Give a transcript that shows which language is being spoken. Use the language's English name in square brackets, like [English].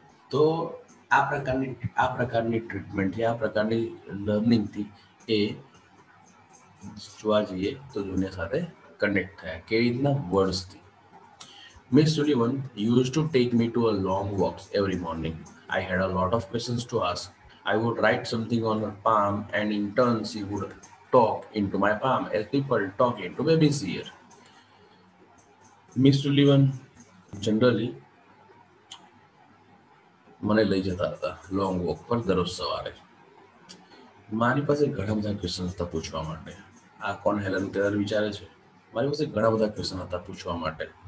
[Gujarati] તો આ પ્રકારની ટ્રીટમેન્ટથી, આ પ્રકારની લર્નિંગથી એ જોવા જઈએ તો દુનિયા સાથે કનેક્ટ થયા. કેવી રીતના? વર્ડ્સથી. [English] Miss Sullivan use to take me to a long walks every morning. I had a lot of questions to ask. I would write something on her palm and in turn she would talk into my palm as people talk into baby's ear. [Gujarati] Miss Sullivan generally મને લઈ જતા હતા long walk પર દરરોજ સવારે, મારી પાસે ઘણા બધા ક્વેશ્ચન હતા પૂછવા માટે. આ કોણ? હેલન કેલર વિચારે છે. મારી પાસે ઘણા બધા ક્વેશ્ચન હતા પૂછવા માટે.